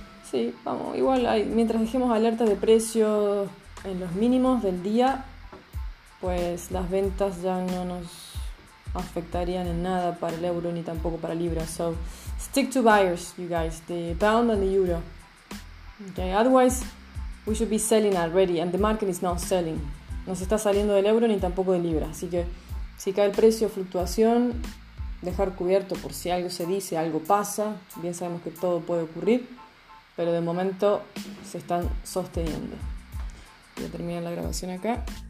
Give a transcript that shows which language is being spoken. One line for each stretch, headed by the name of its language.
Spanish: Sí, vamos, igual hay, mientras dejemos alertas de precio en los mínimos del día, pues las ventas ya no nos afectarían en nada para el euro ni tampoco para libra.
English: So stick to buyers, you guys, the pound and the euro. Okay, otherwise we should be selling already and the market is not selling.
Spanish: No se está saliendo del euro ni tampoco de libra, así que si cae el precio, fluctuación, dejar cubierto por si algo se dice, algo pasa. Bien sabemos que todo puede ocurrir, pero de momento se están sosteniendo. Voy a terminar la grabación acá.